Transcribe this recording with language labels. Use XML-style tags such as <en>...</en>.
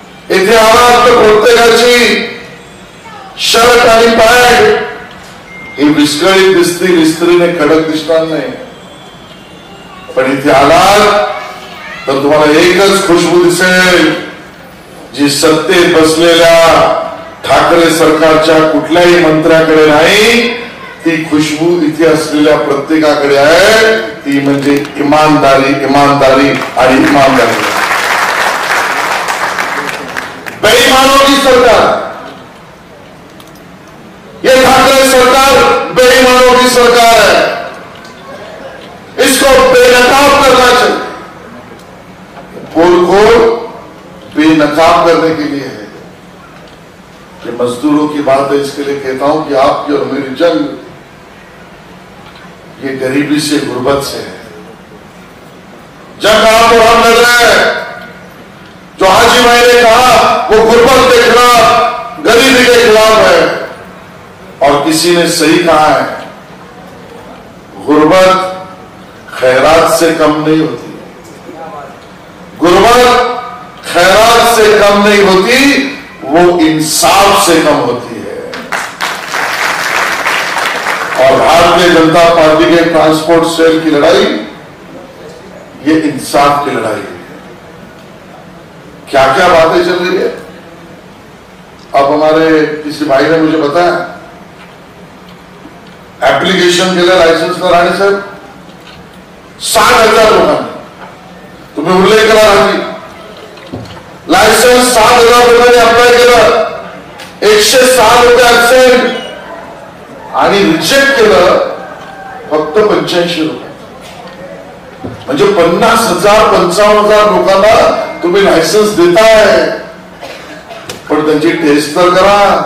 <mr>इथे आला तर प्रत्येकाची शर्ट आणि पॅन्ट ही विस्कळीत दिसतील इस्त्रीने कडक दिसणार नाही पण इथे आलात तर तुम्हाला एकच खुशबू दिसेल जी सत्तेत बसलेल्या ठाकरे सरकारच्या कुठल्याही मंत्र्याकडे नाही ती खुशबू इथे असलेल्या प्रत्येकाकडे आहे ती म्हणजे इमानदारी इमानदारी आणि इमानदारी। बेईमानोची सरकार ये ठाकरे सरकार बेईमानोची सरकार आहे</mr> <hi>इसको बेनकाब करना चाहिए पोलखोल बेनकाब करने के लिए है। ये मजदूरों की बात है इसके लिए कहता हूं कि आपकी और मेरी जंग ये गरीबी से गुर्बत से है। जब आप और हम नजर आए जो हाजी भाई ने कहा वो गुर्बत के खिलाफ गरीबी के खिलाफ है, और किसी ने सही कहा है गुर्बत खैरात से कम नहीं होती, गुर्बत खैरात से कम नहीं होती, वो इंसाफ से कम होती है। और भारतीय जनता पार्टी के ट्रांसपोर्ट सेल की लड़ाई ये इंसाफ की लड़ाई है। क्या क्या बातें चल रही है अब हमारे किसी भाई ने मुझे बताया, एप्लीकेशन के लिए लाइसेंस कराने से 7,000 रुपए तुम्हें उल्लेख करा रहा हूं, लाइसेंस 7,000 रुपए ने अप्लाई किया,</hi> <mr>107 रुपए एक्सेप्ट आणि रिजेक्ट केलं फक्त 85 रुपये, म्हणजे 55,000 लोकांना तुम्ही लायसन्स देताय पण त्यांची टेस्ट तर करा,</mr>